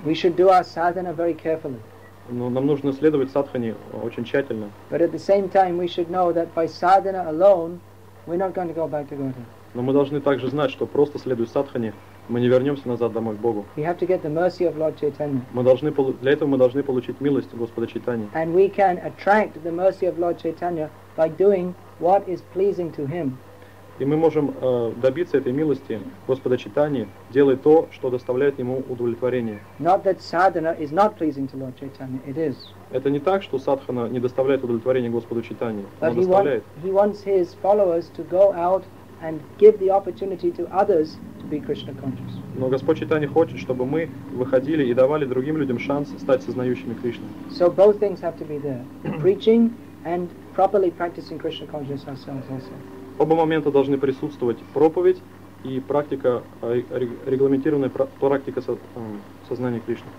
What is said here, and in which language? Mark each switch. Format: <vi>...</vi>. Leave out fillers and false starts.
<en>We should do our sadhana very carefully.</en> <ru>Но нам нужно следовать садхане очень тщательно.</ru> <en>But at the same time, we should know that by sadhana alone, we're not going to go back to Godhead.</en> <ru>Но мы должны также знать, что просто следуя садхане, мы не вернемся назад домой к Богу.</ru> <en>We have to get the mercy of Lord Chaitanya.</en> <ru>Для этого мы должны получить милость Господа Чайтаньи.</ru> <en>And we can attract the mercy of Lord Chaitanya by doing what is pleasing to him.</en> <ru>И мы можем добиться этой милости Господа Чайтаньи, делая то, что доставляет ему удовлетворение.</ru> <en>Not that sadhana is not pleasing to Lord Chaitanya. It is.</en> <ru>Это не так, что садхана не доставляет удовлетворение Господу Чайтаньи.</ru> <en>But he wants his followers to go out and give the opportunity to others to be Krishna conscious.</en> <ru>Но Господь Чайтанья хочет, чтобы мы выходили и давали другим людям шанс стать сознающими Кришну.</ru> <en>So both things have to be there, preaching and properly practicing Krishna consciousness ourselves also.</en> <ru>Оба момента должны присутствовать: проповедь и практика, регламентированная практика сознания Кришны.</ru>